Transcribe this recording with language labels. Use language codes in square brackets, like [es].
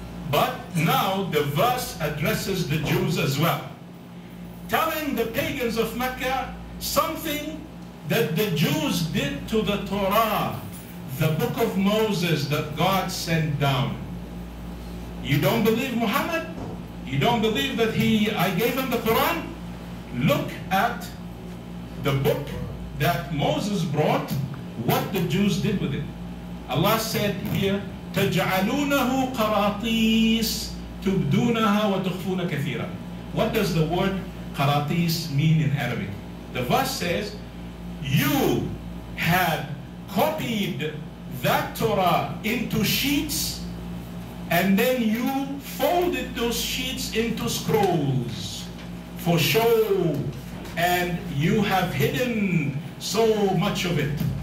[en] But now the verse addresses the Jews as well, telling the pagans of Mecca something that the Jews did to the Torah, the book of Moses that God sent down. You don't believe Muhammad? You don't believe that I gave him the Quran? Look at the book that Moses brought, what the Jews did with it. Allah said here, [ar] تَجْعَلُونَهُ قَرَاطِيس تُبْدُونَهَا وَتُخْفُونَ كَثِيرًا. [en] What does the word قَرَاطِيس mean in Arabic? The verse says, you had copied that Torah into sheets, and then you folded those sheets into scrolls for show, and you have hidden so much of it.